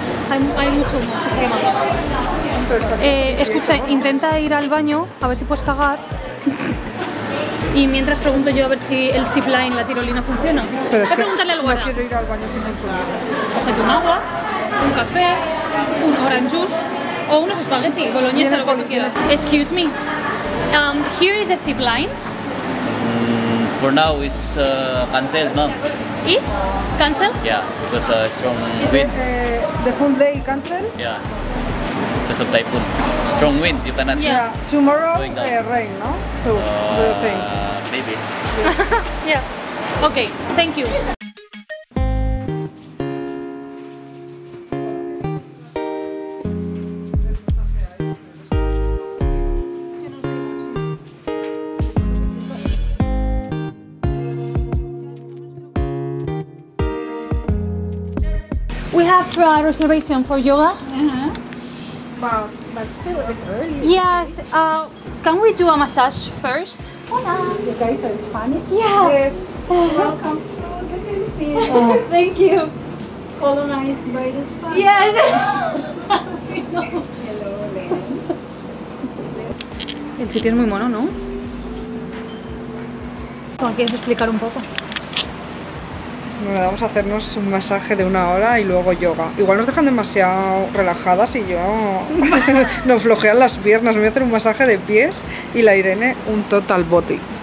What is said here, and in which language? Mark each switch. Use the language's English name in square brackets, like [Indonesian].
[Spanish] Hay mucho humo, se está quemando. Escucha, intenta ir al baño a ver si puedes cagar. Y mientras pregunto yo a ver si el zipline, la tirolina, funciona. Pero es que preguntarle al guarda. No quiero ir al baño sin consumir. Pásate un agua, un café, un [English] orange juice [Spanish] o unos espagueti, boloñesa, lo que tú quieras. [English] Excuse me, here is the zipline. For now it's canceled, ma'am. Is canceled? Yeah, because a strong wind. The full day canceled? Yeah. Because of typhoon, strong wind, you cannot. Yeah, tomorrow rain, no? So, do you think? Maybe. Yeah. Okay, thank you. We have a reservation for yoga. But it's early. Yes, can we do a massage first? Hola. You guys are Spanish? Yeah. Yes. Welcome. Thank you. Colonized by the Spanish. Yes. Hello, [Spanish] Lena. El sitio es muy mono, ¿no? ¿Cómo quieres explicar un poco? Bueno, vamos a hacernos un masaje de una hora y luego yoga. Igual nos dejan demasiado relajadas y yo nos flojean las piernas. Me voy a hacer un masaje de pies y la Irene un total body.